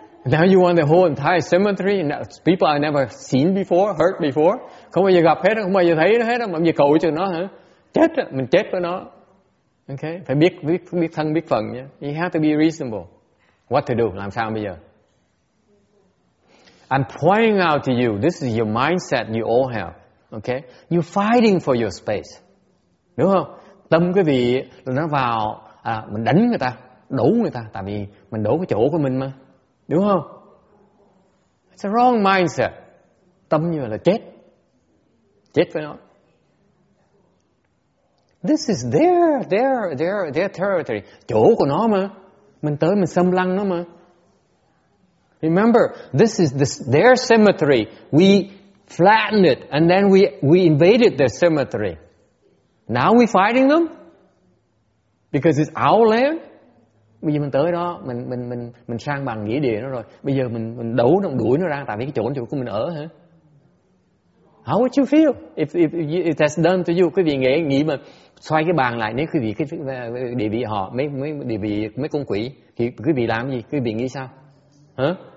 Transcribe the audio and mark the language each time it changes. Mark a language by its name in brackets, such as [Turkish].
[English] Now you want the whole entire cemetery and people I never seen before, heard before. [Vietnamese] Không bao giờ gặp hết, không bao giờ thấy nó hết, mà giờ cầu cho nó hả? Chết, mình chết với nó. Okay, phải biết thân biết phận nhé. [English] You have to be reasonable. What to do? [Vietnamese] Làm sao bây giờ? [English] I'm pointing out to you, this is your mindset you all have. Okay, you're fighting for your space, [Vietnamese] đúng không? Tâm cái vị nó vào à, mình đánh người ta, đổ người ta, tại vì mình đổ cái chỗ của mình mà, đúng không? [English] It's a wrong mindset. [Vietnamese] Tâm như là chết. Chết với nó. [English] This is their territory. [Vietnamese] Chỗ của nó mà. Mình tới mình xâm lăng nó mà. [English] Remember, this is their cemetery. We flattened it and then we invaded their cemetery. Now we're fighting them? Because it's our land? [Vietnamese] Bây giờ mình tới đó, mình sang bằng nghĩa địa nó rồi. Bây giờ mình đấu nó, đuổi nó ra tại vì cái chỗ của mình ở hả? [English] How would you feel if that's done to you? [Vietnamese] Quý vị nghĩ mà xoay cái bàn lại, nếu quý vị cái địa vị họ, mấy địa vị mấy con quỷ, thì quý vị làm gì? Quý vị nghĩ sao? Hả?